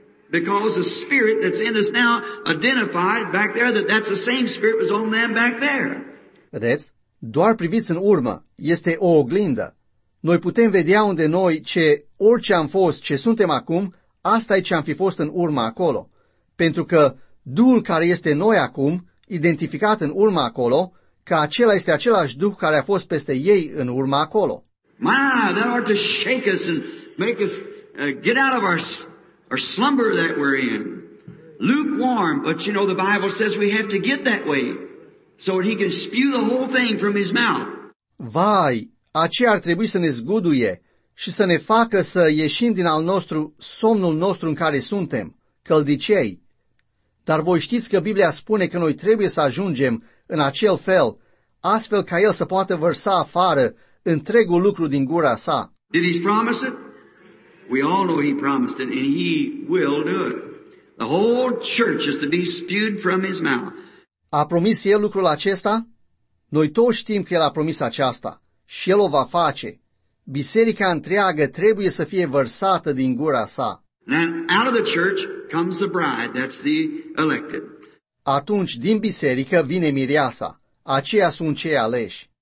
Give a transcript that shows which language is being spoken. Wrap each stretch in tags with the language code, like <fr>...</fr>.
<en>Because the spirit that's in us now identified back there that's the same spirit was on them back there.</en> <ro>Vedeți? Doar priviți în urmă, este o oglindă. Noi putem vedea unde noi, ce orice am fost, ce suntem acum, asta e ce am fi fost în urmă acolo. Pentru că Duhul care este noi acum, identificat în urmă acolo, că acela este același Duh care a fost peste ei în urmă acolo.</ro> <en>My, that ought to shake us and make us get out of our slumber that we're in. Lukewarm, but you know the Bible says we have to get that way so that he can spew the whole thing from his mouth.</en> <ro>Vai, aceea ar trebui să ne zguduie și să ne facă să ieșim din al nostru, somnul nostru în care suntem, căldicei. Dar voi știți că Biblia spune că noi trebuie să ajungem în acel fel, astfel ca el să poată vărsa afară întregul lucru din gura sa.</ro> <en>Did he promise it? We all know he promised it, and he will do it. The whole church is to be spewed from his mouth.</en> <ro>A promis el lucrul acesta? Noi toți știm că el a promis aceasta și el o va face. Biserica întreagă trebuie să fie vărsată din gura sa.</ro> <en>And out of the church comes the bride, that's the elected.</en> <ro>Atunci din biserică vine mireasa, aceia sunt cei aleși.</ro>